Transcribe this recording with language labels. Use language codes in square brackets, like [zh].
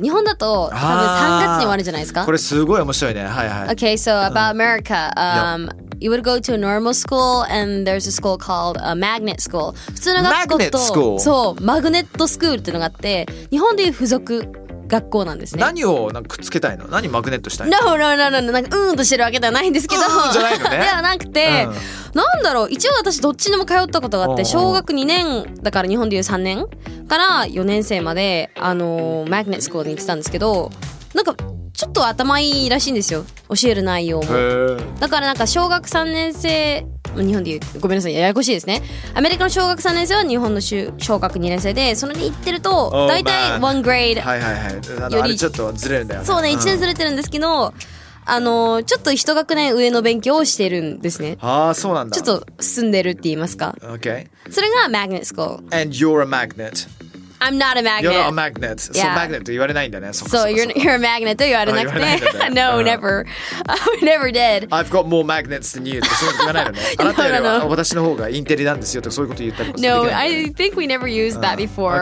[ja] 日本だと多分3月に終わるじゃないですか？これすごい面白いね。はいはい。 [en] Okay, so about America. You would go to a normal school and there's a school called a magnet school. [ja] 普通の学校と、そう、マグネットスクールっていうのがあって、日本でいう付属学校なんですね。何をなんかくっつけたいの？何マグネットしたいの？ [en] No. [ja] なんかうーんとしてるわけではないんですけど。うーんじゃないのね。ではなくて、なんだろう、一応私どっちにも通ったことがあって、小学2年だから日本でいう3年から4年生まで、マグネットスクールに行ってたんですけど、なんかちょっと頭いいらしいんですよ、教える内容も。だからなんか小学3年生、日本で言う、ごめんなさい、ややこしいですね。アメリカの小学3年生は日本の小学2年生で、それに行ってると大体1グレード、はいはいはい、あれちょっとずれるんだよね。そうね、1年ずれてるんですけど、ちょっと一学年上の勉強をしてるんですね。ああ、そうなんだ。ちょっと進んでるって言いますか。 [en] Okay. [ja] それが magnet school. [en] And you're a magnet. I'm not a magnet. You're not a magnet. So、yeah. magnet [ja] と言われないんだね。 [en] So you're a magnet [ja] と言われなくて。 [en] No, never. I never did. I've got more magnets than you. [ja] そう言わないのね。あなたよりは私の方がインテリなんですよとそういうこと言ったりもする。 [en] No, I think we never used that before.